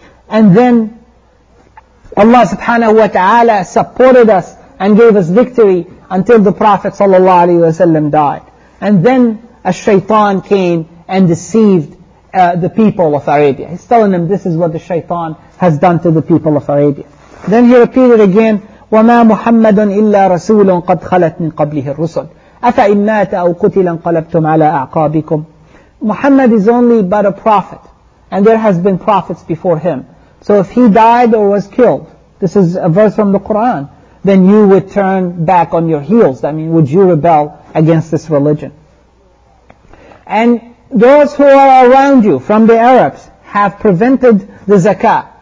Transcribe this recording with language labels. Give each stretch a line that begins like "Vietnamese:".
English: And then Allah subhanahu wa ta'ala supported us and gave us victory until the Prophet sallallahu alayhi wa sallam died. And then a shaitan came and deceived the people of Arabia. He's telling them this is what the shaitan has done to the people of Arabia. Then he repeated again,
Arabic: وَمَا مُحَمَّدٌ إِلَّا رَسُولٌ قَدْ خَلَتْ مِنْ قَبْلِهِ الرُّسُلِ أَفَإِنْ مَاتَ أَوْ قُتِلَ انْقَلَبْتُمْ عَلَىٰ أَعْقَابِكُمْ.
English: Muhammad is only but a prophet, and there has been prophets before him. So if he died or was killed, this is a verse from the Quran, then you would turn back on your heels. I mean, would you rebel against this religion? And those who are around you from the Arabs have prevented the zakah.